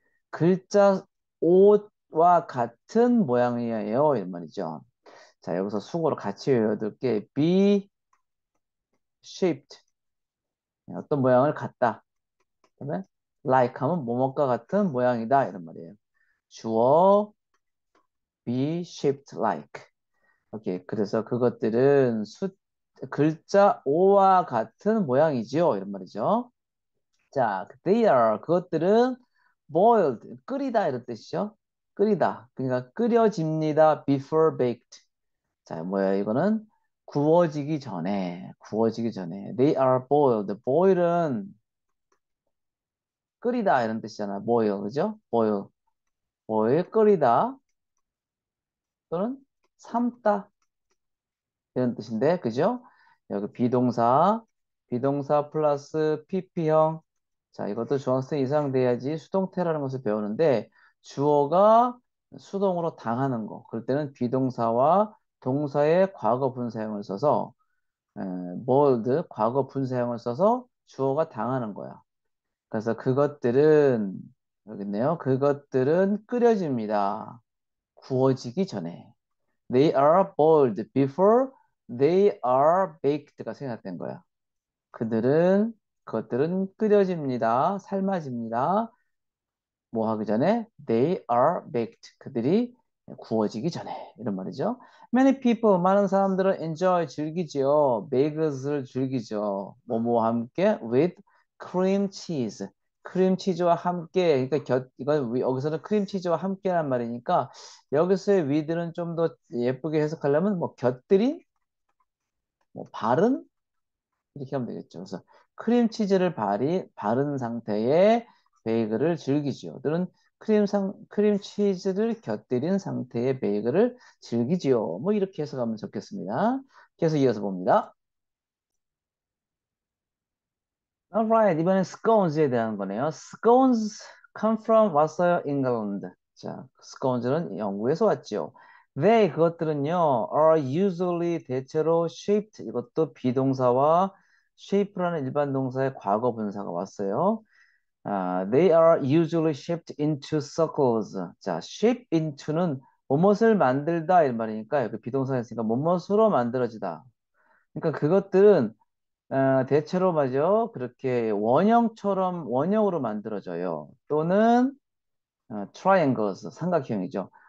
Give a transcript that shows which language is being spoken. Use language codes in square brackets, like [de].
[ko] 글자 O와 같은 모양이에요. 이런 말이죠. 자, 여기서 수고로 같이 외워둘게. [en] Be shaped. [ko] 어떤 모양을 갖다. 그다음에 like 하면 뭐뭐과 같은 모양이다. 이런 말이에요. [en] 주어, be shaped like. [ko] 오케이. 그래서 그것들은 글자 O와 같은 모양이지요. 이런 말이죠. 자, they are. 그것들은 boiled. 끓이다. 이런 뜻이죠. 끓이다. 그러니까 끓여집니다. [en] before baked. [ko] 자, 뭐야, 이거는? 구워지기 전에. 구워지기 전에. [en] They are boiled. [ko] boil은 끓이다. 이런 뜻이잖아. boil. 그죠? boil. 보일 끓이다 또는 삶다 이런 뜻인데 그죠? 여기 비동사 플러스 PP형 자 이것도 중학생 이상 돼야지 수동태라는 것을 배우는데 주어가 수동으로 당하는 거 그럴 때는 비동사와 동사의 과거 분사형을 써서 bold 과거 분사형을 써서 주어가 당하는 거야. 그래서 그것들은 여깄네요. 그것들은 끓여집니다. 구워지기 전에. [en] They are boiled before they are baked가 [ko] 생각된 거야. 그것들은 끓여집니다. 삶아집니다. 뭐 하기 전에? [en] They are baked. [ko] 그들이 구워지기 전에. 이런 말이죠. [en] Many people, [ko] 많은 사람들은 enjoy, 즐기죠. Bagels를 즐기죠. 뭐뭐와 함께? [en] With cream cheese. [ko] 크림치즈와 함께, 그러니까 이건 여기서는 크림치즈와 함께란 말이니까 여기서의 with는 좀더 예쁘게 해석하려면 뭐 곁들인, 뭐 바른 이렇게 하면 되겠죠. 그래서 크림치즈를 바른 상태의 베이글을 즐기지요. 또는 크림치즈를 곁들인 상태의 베이글을 즐기지요. 뭐 이렇게 해석하면 좋겠습니다. 계속 이어서 봅니다. Alright, 이번엔 scones에 대한 거네요. [en] Scones come from [ko] 왔어요, [en] England. [ko] 자, scones는 영국에서 왔죠. They 그것들은요, [en] are usually [ko] 대체로 shaped 이것도 비동사와 shape라는 일반 동사의 과거 분사가 왔어요. [en] They are usually shaped into circles. [ko] 자, shape into는 무엇을 만들다 이런 말이니까 여기 비동사였으니까 무엇으로 만들어지다. 그러니까 그것들은 대체로 맞죠. 그렇게 원형으로 만들어져요. 또는 triangles, 삼각형이죠.